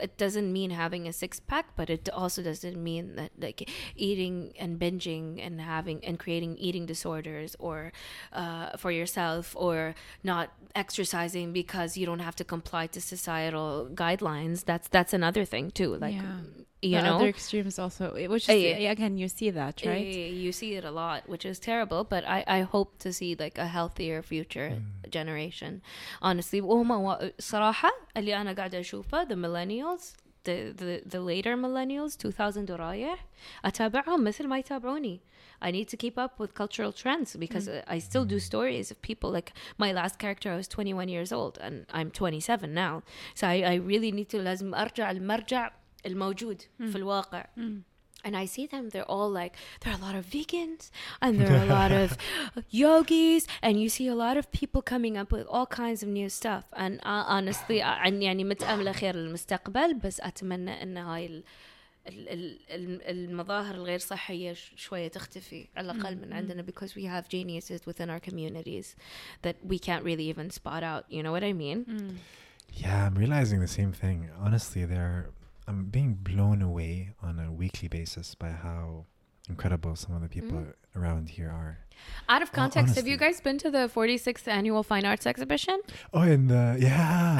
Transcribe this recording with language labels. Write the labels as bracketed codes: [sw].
[en] It doesn't mean having a six pack, but it also doesn't mean that like eating and binging and having and creating eating disorders or for yourself or not exercising because you don't have to comply to societal guidelines. That's another thing too. Like, yeah. You the know, other extremes also, which is, again, you see that, right? You see it a lot, which is terrible, but I hope to see like a healthier future generation. Honestly, [ar] صراحة اللي أنا قاعدة أشوفه [en] the millennials, the later millennials, 2000 [ar] ورايح, أتابعهم مثل ما يتابعوني. [en] I need to keep up with cultural trends because I still do stories of people like my last character. I was 21 years old and I'm 27 now. So I really need to [ar] لازم أرجع المرجع الموجود في الواقع. [en] And I see them, they're all like, there are a lot of vegans and there are a lot of yogis and you see a lot of people coming up with all kinds of new stuff. And honestly, [ar] يعني متأملة خير المستقبل بس أتمنى أن هاي المظاهر الغير صحية شوية تختفي على الأقل من عندنا [en] because we have geniuses within our communities that we can't really even spot out. You know what I mean? Yeah, I'm realizing the same thing. Honestly, I'm being blown away on a weekly basis by how incredible some of the people around here are. Out of context, honestly, have you guys been to the 46th annual Fine Arts Exhibition? Oh, and yeah.